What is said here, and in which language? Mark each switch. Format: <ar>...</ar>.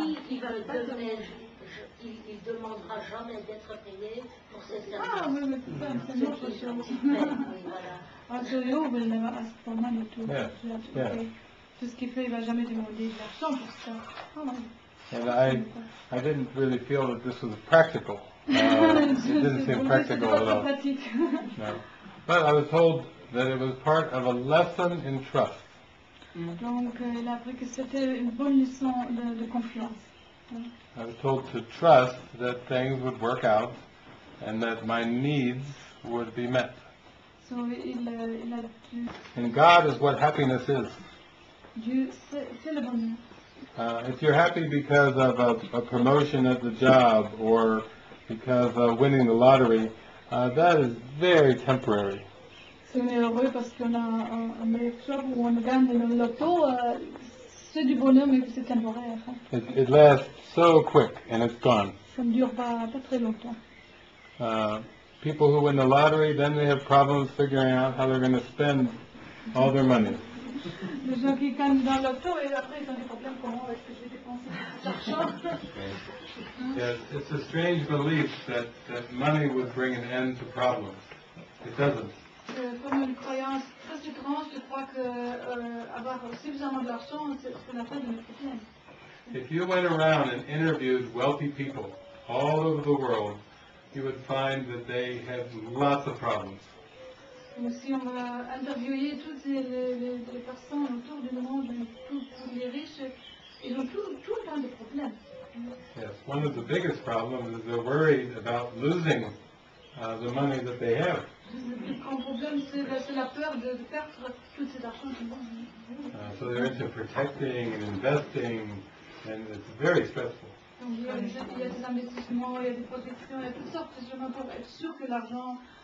<fr>Il ne demandera jamais d'être payé pour ses services. Ah oui, mais c'est une autre chose. Oui, voilà. Ah, c'est pas mal du tout. Tout ce qu'il fait, il ne va jamais demander de l'argent pour ça.</fr> <en>And I didn't really feel that this was practical. It didn't seem practical at all. No. But I was told that it was part of a lesson in trust.</en> <fr>Donc, il a appris que c'était une bonne leçon de confiance.</fr> <en>I was told to trust that things would work out and that my needs would be met.</en> <fr>So, il a dû...</fr> <en>And God is what happiness is.</en> <fr>Dieu, c'est le bonheur.</fr> <en>If you're happy because of a promotion at the job or because of winning the lottery, that is very temporary.</en> <fr>Si on est heureux parce qu'on a un meilleur job ou on gagne le loto, c'est du bonheur mais c'est temporaire.</fr> <en>It lasts so quick and it's gone.</en> <fr>Ça ne dure pas très longtemps.</fr> <en>People who win the lottery, then they have problems figuring out how they're going to spend all their money.</en> <fr>Les gens qui gagnent dans l'auto et après ils ont des problèmes, comment est-ce que je vais dépenser cet argent?</fr> <en>Yes, it's a strange belief that money would bring an end to problems. It doesn't.</en> <fr>C'est comme une croyance très étrange, je crois que avoir suffisamment d'argent, c'est ce qu'on appelle une problème.</fr> <en>If you went around and interviewed wealthy people all over the world, you would find that they have lots of problems.</en> <fr>Si on va interviewer toutes les personnes autour du monde, tous les riches, ils ont tout plein de problèmes.</fr> <en>Yes, one of the biggest problems is they're worried about losing the money that they have.</en> <fr>Le grand problème, c'est la peur de perdre tout cet argent qu'ils ont.</fr> <en>So they're into protecting and investing, and it's very stressful.</en> <fr>Donc il y a des investissements, il y a des protections, il y a toutes sortes de choses pour être sûr que l'argent</fr>